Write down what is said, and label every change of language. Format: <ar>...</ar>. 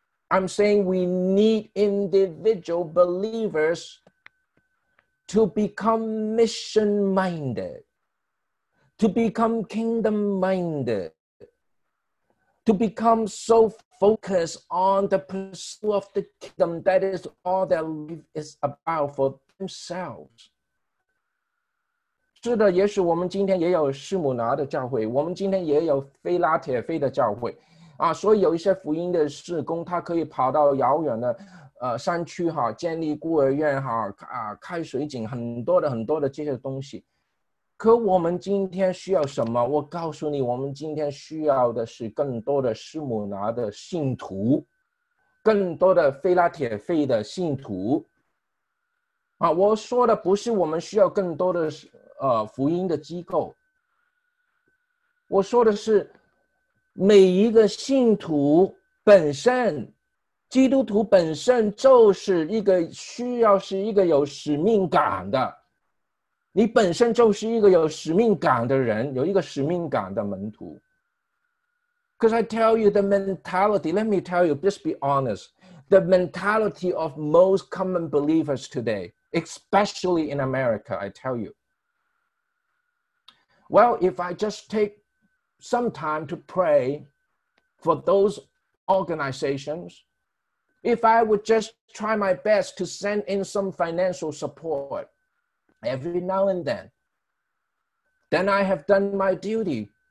<en>I'm saying we need individual believers to become mission-minded, to become kingdom-minded, to become so focus on the pursuit of the kingdom, that is all their life is about for themselves.</en> <zh>是的，也许我们今天也有士母拿的教会，我们今天也有菲拉铁菲的教会，啊，所以有一些福音的事工，他可以跑到遥远的，山区哈，建立孤儿院哈，啊，开水井，很多的很多的这些东西。可我们今天需要什么？我告诉你，我们今天需要的是更多的士母拿的信徒，更多的菲拉铁菲的信徒。啊，我说的不是我们需要更多的福音的机构。我说的是每一个信徒本身，基督徒本身就是一个需要，是一个有使命感的。你本身就是一个有使命感的人，有一个使命感的门徒。</zh> <en>Because I tell you the mentality, let me tell you, just be honest, the mentality of most common believers today, especially in America, I tell you. Well, if I just take some time to pray for those organizations, if I would just try my best to send in some financial support,every now and then I have done my duty.</en>